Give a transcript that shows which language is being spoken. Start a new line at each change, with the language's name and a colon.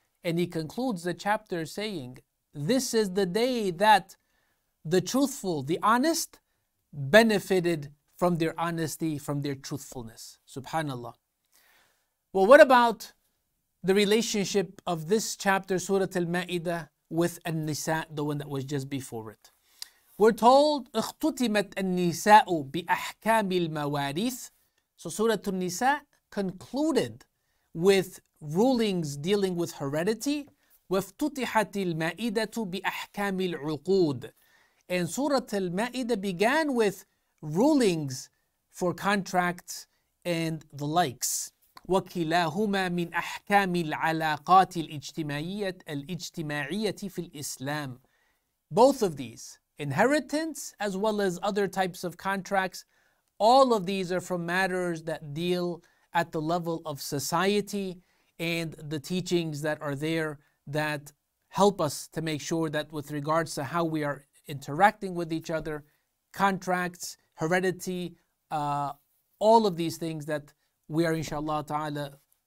English: And he concludes the chapter saying, this is the day that the truthful, the honest, benefited from their honesty, from their truthfulness. Subhanallah. Well, what about the relationship of this chapter, Surah Al-Ma'idah, with An-Nisa, the one that was just before it? We're told,
Arabic: اختتمت النساء بأحكام المواريث.
English: So Surah An-Nisa concluded with rulings dealing with heredity.
Arabic: وافتتحت المائدة بأحكام العقود.
English: And Surah Al-Ma'idah began with rulings for contracts and the likes.
Arabic: وَكِلَاهُمَا مِنْ أَحْكَامِ الْعَلَاقَاتِ الْإِجْتِمَعِيَّةِ فِي الْإِسْلَامِ.
English: Both of these, inheritance as well as other types of contracts, all of these are from matters that deal at the level of society and the teachings that are there that help us to make sure that with regards to how we are interacting with each other, contracts, heredity, all of these things that we are, inshallah ta'ala,